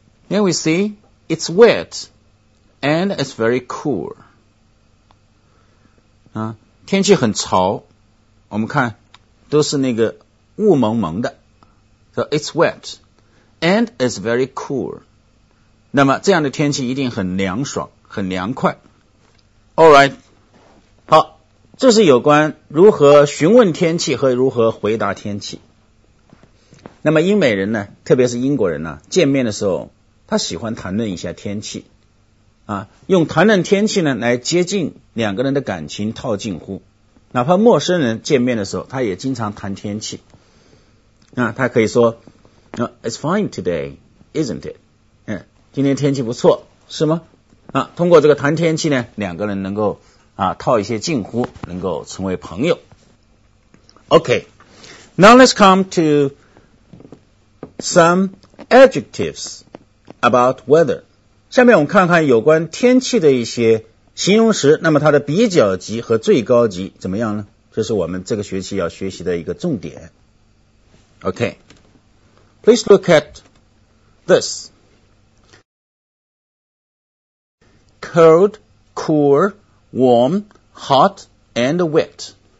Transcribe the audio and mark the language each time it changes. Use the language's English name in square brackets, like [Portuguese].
[English] Here we see, it's wet and it's very cool. [Chinese] 天气很潮，我们看都是那个雾蒙蒙的。 [English] So it's wet and it's very cool. [Chinese] 那么这样的天气一定很凉爽，很凉快。 [English] Alright, [Chinese] 好，这是有关如何询问天气和如何回答天气。那么英美人呢，特别是英国人呢，见面的时候他喜欢谈论一下天气啊，用谈论天气呢来接近两个人的感情，套近乎。哪怕陌生人见面的时候他也经常谈天气啊，他可以说 [English] It's fine today, isn't it? [Chinese] 今天天气不错是吗？通过这个谈天气呢，两个人能够套一些近乎，能够成为朋友。 [English] OK, now let's come to some adjectives about weather. [Chinese] 下面我们看看有关天气的一些形容词，那么它的比较级和最高级怎么样呢？这是我们这个学期要学习的一个重点。 [English] OK, please look at thisCold, cool, warm, hot, and wet.